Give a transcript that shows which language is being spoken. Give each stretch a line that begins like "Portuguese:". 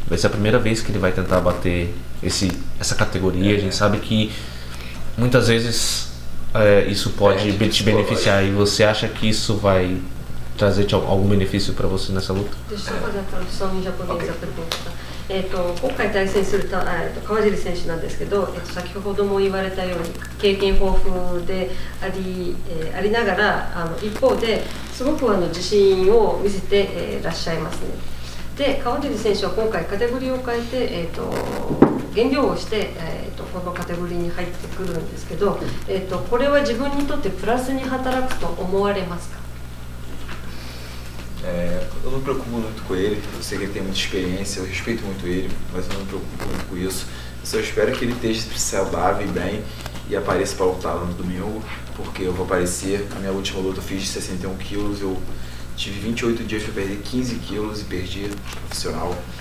Portuguese: Vai ser a primeira vez que ele vai tentar bater essa categoria. A gente sabe que muitas vezes isso pode te beneficiar, e você acha que isso vai trazer algum benefício para você nessa luta? Deixa eu fazer a tradução em japonês da pergunta.
Japanese: 今回対戦する川尻選手なんですけど、先ほども言われたように経験豊富でありながら、一方ですごく自信を見せてらっしゃいますね。で、川尻選手は今回カテゴリーを変えて、減量をして、このカテゴリーに入ってくるんですけど、これは自分にとってプラスに働くと思われますか？
Portuguese: Eu não me preocupo muito com ele, eu sei que ele tem muita experiência, eu respeito muito ele, mas eu não me preocupo muito com isso. Eu só espero que ele esteja saudável e bem e apareça para lutar no domingo, porque eu vou aparecer. A minha última luta eu fiz de 61 quilos, eu tive 28 dias para perder 15 quilos e perdi profissional.